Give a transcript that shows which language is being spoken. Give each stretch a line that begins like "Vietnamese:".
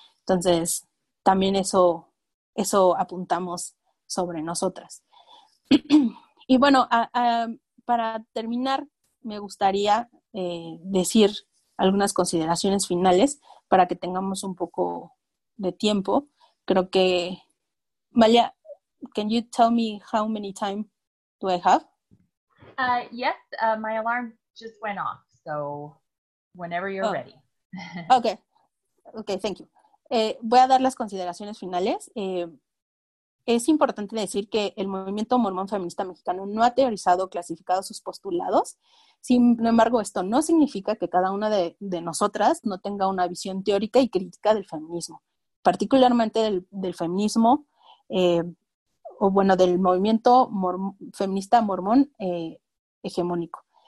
Spanish: Entonces, también eso apuntamos sobre nosotras. Y bueno, para terminar, me gustaría decir algunas consideraciones finales para que tengamos un poco de tiempo. Creo que,
English: Malia, can you tell me how many time do I have? Yes, my alarm just went off. So whenever you're ready. Okay. Okay, thank you.
Spanish: Voy a dar las consideraciones finales. Es importante decir que el movimiento mormón feminista mexicano no ha teorizado o clasificado sus postulados. Sin embargo, esto no significa que cada una de nosotras no tenga una visión teórica y crítica del feminismo, particularmente del feminismo, o bueno, del movimiento feminista mormón hegemónico.